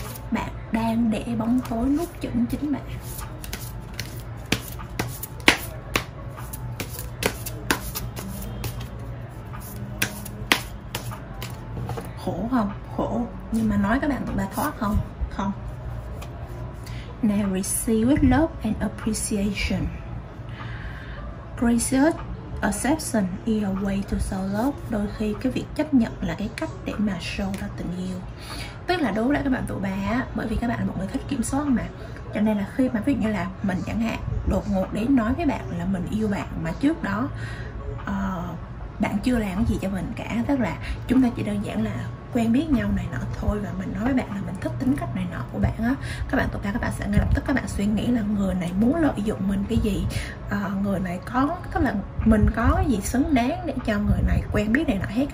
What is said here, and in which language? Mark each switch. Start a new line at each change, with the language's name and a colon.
Vietnamese: Bạn đang để bóng tối nuốt chửng chính bạn. Khổ không? Khổ. Nhưng mà nói các bạn tụi ba thoát không? Không.
English: Now receive love and appreciation. Gracious acceptance is a way to show love.
Vietnamese: Đôi khi cái việc chấp nhận là cái cách để mà show ra tình yêu. Tức là đối với các bạn tụi ba á, bởi vì các bạn là một người thích kiểm soát mà, cho nên là khi mà ví dụ như là mình chẳng hạn đột ngột đến nói với bạn là mình yêu bạn mà trước đó bạn chưa làm cái gì cho mình cả, tức là chúng ta chỉ đơn giản là quen biết nhau này nọ thôi, và mình nói với bạn là mình thích tính cách này nọ của bạn á, các bạn tụi ta các bạn sẽ ngay lập tức các bạn suy nghĩ là người này muốn lợi dụng mình cái gì, người này có, tức là mình có cái gì xứng đáng để cho người này quen biết này nọ hết.